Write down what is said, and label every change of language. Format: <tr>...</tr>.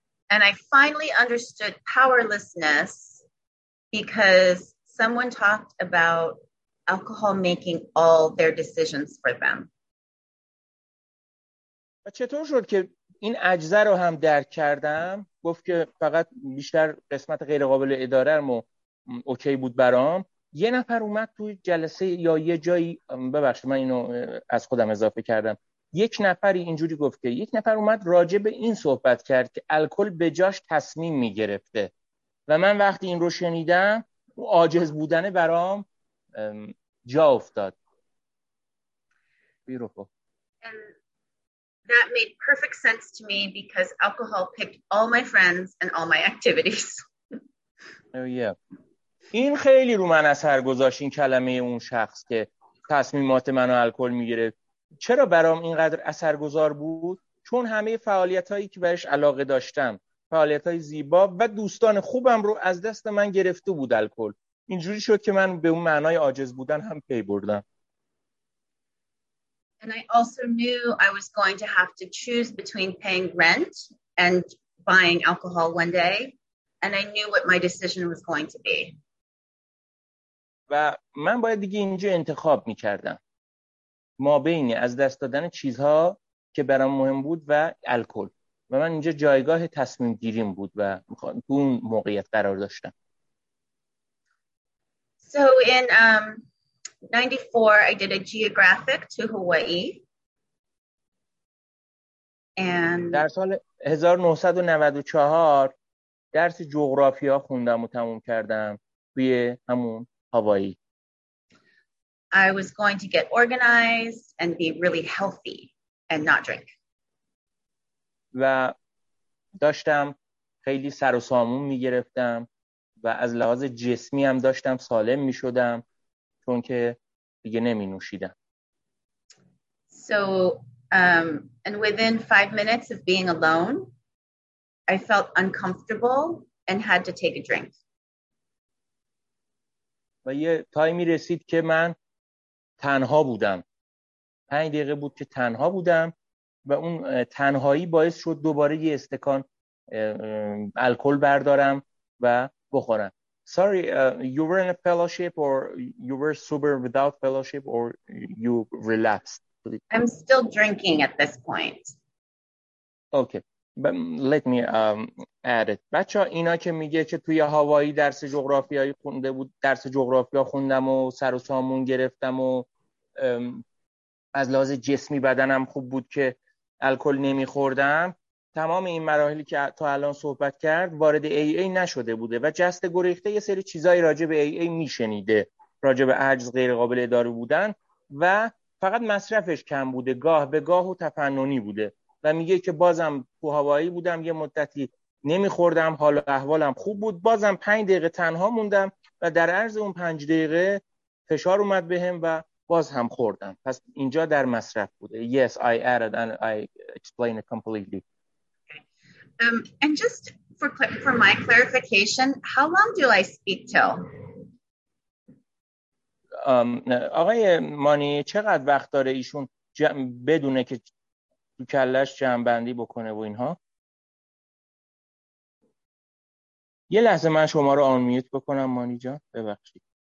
<en>And I finally understood powerlessness because someone talked about alcohol making all their decisions for them.</en> <fa>و چطور شد که این عجز رو هم درک کردم؟ گفت که فقط بیشتر قسمت غیر قابل اداره رو اوکی بود برام. یه نفر اومد توی جلسه یا یه جایی، ببخشید من اینو از خودم اضافه کردم، یک نفری اینجوری گفت که یک نفر اومد راجع به این صحبت کرد که الکل به جاش تصمیم میگرفته و من وقتی این رو شنیدم او عاجز بودنه برام جا افتاد. بیروفو.</fa> <en>And that made perfect sense to me because alcohol picked all my friends and all my activities. Oh yeah.</en> <fa>این خیلی رو من اثر گذاشت، این کلمه اون شخص که تصمیمات منو الکل میگرفت. چرا برام اینقدر اثرگذار بود؟ چون همه فعالیتایی که بهش علاقه داشتم، فعالیتای زیبا و دوستان خوبم رو از دست من گرفته بود الکل. اینجوری شد که من به اون معنای عاجز بودن هم پی بردم.</fa> <en>And I also knew I was going to have to choose between paying rent and buying alcohol one day, and I knew what my decision was going to be.</en> <fa>و من باید دیگه اینجا انتخاب می‌کردم ما بین از دست دادن چیزها که برام مهم بود و الکل، و من اینجا جایگاه تصمیم گیریم بود و تو اون موقعیت قرار داشتم.</fa> <en>So in 94 I did a geographic to Hawaii. And</en> <fa>در سال 1994 درس جغرافیا خوندم و تموم کردم توی همون هوایی.</fa> <en>I was going to get organized and be really healthy and not drink.</en> <fa>و داشتم خیلی سر و سامون می‌گرفتم و از لحاظ جسمی هم داشتم سالم می‌شدم چون که دیگه نمی‌نوشیدم.</fa> <en>So and within 5 minutes of being alone, I felt uncomfortable and had to take a drink.</en> <fa>و یه تایمی رسید که من تنها بودم. 5 دقیقه بود که تنها بودم و اون تنهایی باعث شد دوباره یه استکان الکل بردارم و بخورم.</fa> <en>Sorry, you were in a fellowship or you were sober without fellowship or you relapsed? I'm still drinking at this point. Okay, but let me add it.</en> <fa>بچه ها اینا که میگه که توی هوایی درس جغرافیایی خونده بود، درس جغرافیا خوندم و سر و سامون گرفتم و از لحاظ جسمی بدنم خوب بود که الکل نمیخوردم، تمام این مراحلی که تا الان صحبت کرد وارد AA نشده بوده و جست گریخته یه سری چیزایی راجع به AA میشنیده، راجع به عجز غیر قابل اداره بودن و فقط مصرفش کم بوده، گاه به گاه و تفننی بوده و میگه که بازم تو هوایی بودم یه مدتی نمیخوردم، حال احوالم خوب بود، بازم 5 دقیقه تنها موندم و در عرض اون 5 دقیقه فشار اومد بهم و باز هم خوردم. پس اینجا در مصرف بوده.</fa> <en>Yes, I added and I explained it completely. Okay. And just for my clarification, how long do I speak till?</en> <fa>آقای مانی چقدر وقت داره ایشون بدونه که تو کلش جمع‌بندی بکنه و اینها؟ یه لحظه من شما رو آن میوت بکنم مانی جان، ببخشید.</fa>